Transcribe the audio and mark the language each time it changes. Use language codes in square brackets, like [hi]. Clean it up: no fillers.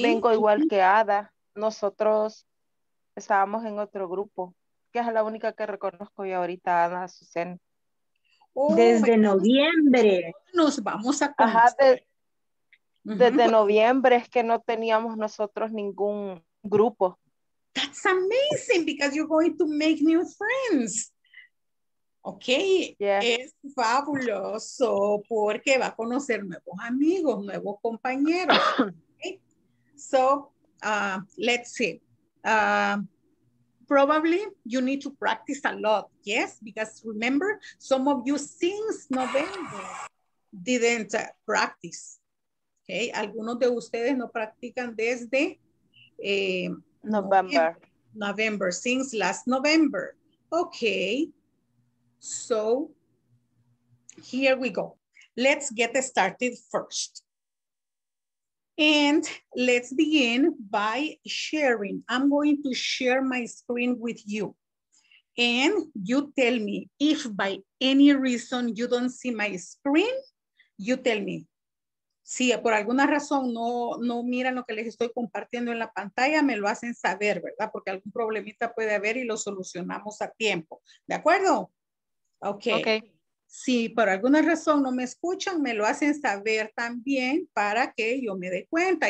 [es] Vengo igual que Ada. Nosotros estábamos en otro grupo. que es la única que reconozco yo ahorita, Ana Azucena. Desde noviembre. Nos vamos a conocer. Ajá, desde noviembre es que no teníamos nosotros ningún grupo. [en] That's amazing because you're going to make new friends. Okay, yeah. [es] Es fabuloso porque va a conocer nuevos amigos, nuevos compañeros. [en] Okay? So, let's see. Probably you need to practice a lot, yes? Because remember, some of you since November didn't practice. [es] Okay, algunos de ustedes no practican desde [en] November, since last November. Okay, so here we go. Let's get started first. And let's begin by sharing. I'm going to share my screen with you. And you tell me if by any reason you don't see my screen, you tell me. [es] Si por alguna razón no miran lo que les estoy compartiendo en la pantalla, me lo hacen saber, ¿verdad? Porque algún problemita puede haber y lo solucionamos a tiempo. ¿De acuerdo? Okay. Okay. Si por alguna razón no me escuchan, me lo hacen saber también para que yo me dé cuenta.